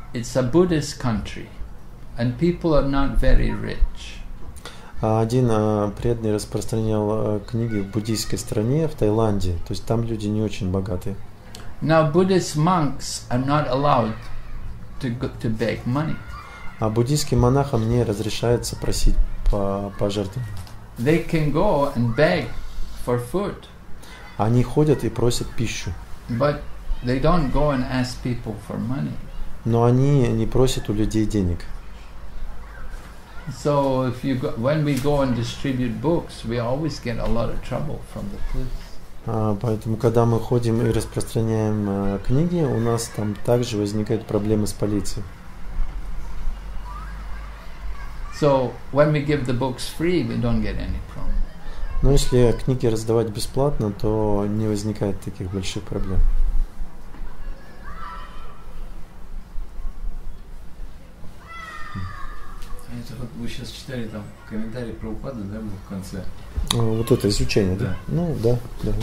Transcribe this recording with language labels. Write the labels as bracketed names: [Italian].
[English] It's a Buddhist country, and people are not very rich. [Russian] Один преданный распространял книги в буддийской стране, в Таиланде. То есть там люди не очень богаты. [English] Now, Buddhist monks are not allowed to beg money. [Russian] А буддийским монахам не разрешается просить пожертвования. [English] They can go and beg for food. [Russian] Они ходят и просят пищу. [English] But they don't go and ask people for money. [Russian] Но они не просят у людей денег. [English] So if you go, when we go and distribute books, we always get a lot of trouble from the police. [Russian] Поэтому, когда мы ходим и распространяем книги, у нас там также возникают проблемы с полицией. [English] So when we give the books free, we don't get any problem. [Russian] Но если книги раздавать бесплатно, то не возникает таких больших проблем. Вот вы сейчас читали там комментарий про упады, да, был в конце. Вот это изучение, да? Ну, да, да.